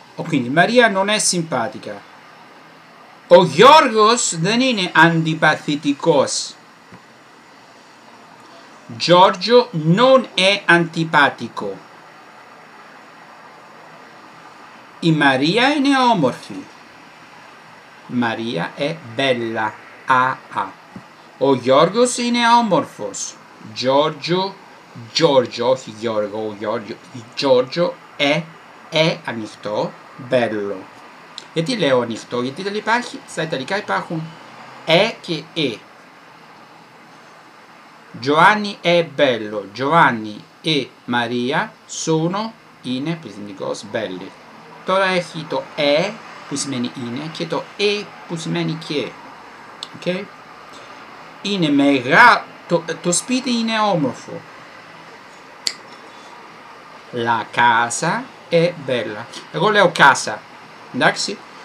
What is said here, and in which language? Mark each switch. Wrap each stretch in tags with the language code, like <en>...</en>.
<it>Quindi, Maria non è simpatica.</it> <el>Ο Γιώργος δεν είναι αντιπαθητικός.</el> <it>Giorgio non è antipatico.</it> <el>Η Maria είναι όμορφη.</el> <it>Maria è bella.</it> <el>A-A. Ο Γιώργος είναι όμορφος. Γιώργο, όχι Γιώργο, Γιώργο è ανοιχτό, bello. Γιατί λέω ανοιχτό, γιατί δεν υπάρχει, στα ιταλικά υπάρχουν e και e.</el> <it>Giovanni è bello, Giovanni e Maria sono,</it> <el>είναι, πληθυντικός,</el> <it>belli.</it> <el>Τώρα έχει το e που σημαίνει είναι και το e που σημαίνει και. Ok? Είναι μεγάλο, το σπίτι είναι όμορφο.</el> <it>La casa è bella.</it> <el>Εγώ λέω casa, εντάξει.</el>